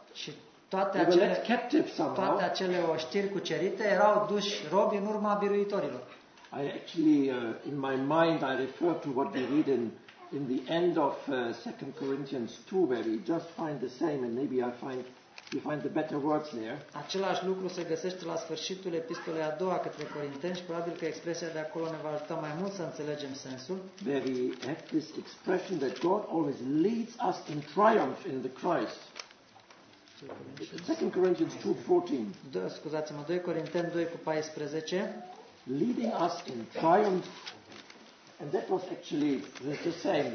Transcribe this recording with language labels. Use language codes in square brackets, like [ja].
[ro] Și toate acele oștiri cucerite erau duși robi în urma biruitorilor. [en] I actually in my mind I refer to what we read in the end of 2 Corinthians 2 where we just find the same and maybe I find you find the better words there. [ro] Același lucru se găsește la sfârșitul epistolei a doua către Corinteni și probabil că expresia de acolo ne va ajuta mai mult să înțelegem sensul. [en] Where we have this expression that God always leads us in triumph in the Christ. 2 Corinthians 2:14. [ro] Scuzați-mă, 2 Corinteni 2:14. [en] Leading us in triumph. And that was actually the same.